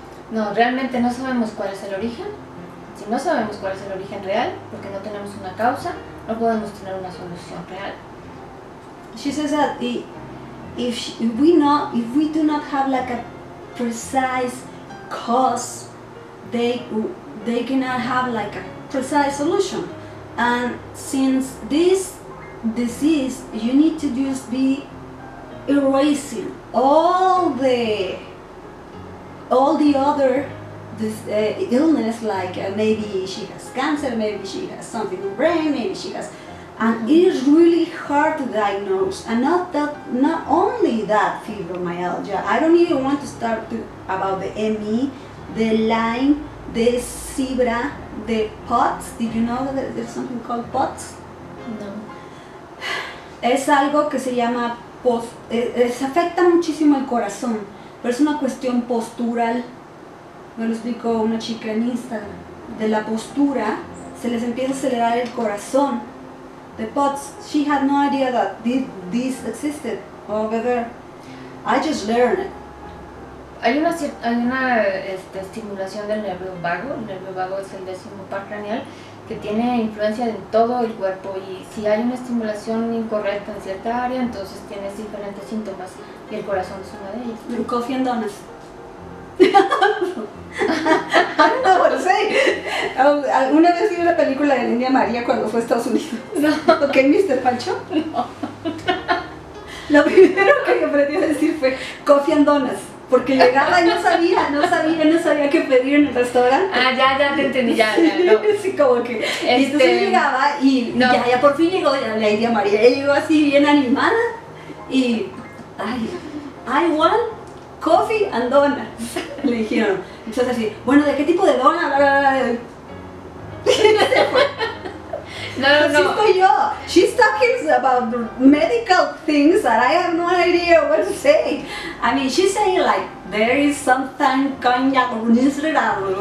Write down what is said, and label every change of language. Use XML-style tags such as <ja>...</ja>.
<es>No, realmente no sabemos cuál es el origen. Si no sabemos cuál es el origen real, porque no tenemos una causa, no podemos tener una solución real.</es> <en>She says that if we do not have like a precise cause, they cannot have like a precise solution. And since this disease, you need to just be erasing all the other illness, like maybe she has cancer, maybe she has something in the brain, maybe she has And it is really hard to diagnose. And not that, not only that fibromyalgia. I don't even want to start to about the ME, the Lyme, the zebra, the POTS. Did you know that there's something called POTS? No.</en> <es>Es algo que se llama se afecta muchísimo el corazón, pero es una cuestión postural. Me lo explicó una chica en Instagram. De la postura se les empieza a acelerar el corazón.</es> <en>The POTS, she had no idea that this existed over there. I just learned it.</en> <es>Hay una estimulación del nervio vago. El nervio vago es el décimo par craneal, que tiene influencia en todo el cuerpo, y si hay una estimulación incorrecta en cierta área, entonces tienes diferentes síntomas, y el corazón es una de ellas.</es> <en>¿Y coffee and donuts?</en> <es>No, bueno, sí. Una vez vi una película de Lindia María cuando fue a Estados Unidos. No. ¿Qué, Mr. Pancho? No. Lo primero que aprendí a decir fue</es> <en>coffee and donuts.</en> <es>Porque llegaba y no sabía qué pedir en el restaurante. Ah, ya te entendí, ya, no. Sí, como que, y entonces llegaba y no. ya por fin llegó la India María. Ella llegó así bien animada y, ay,</es> <en>I want coffee and donuts,</en> <es>le dijeron. Entonces así, bueno, ¿de qué tipo de dona? No. Así soy yo.</es> <en>She's talking about medical things that I have no idea what to say. I mean, she's saying like, there is something coming out of this,</en> <es>¿verdad?</es>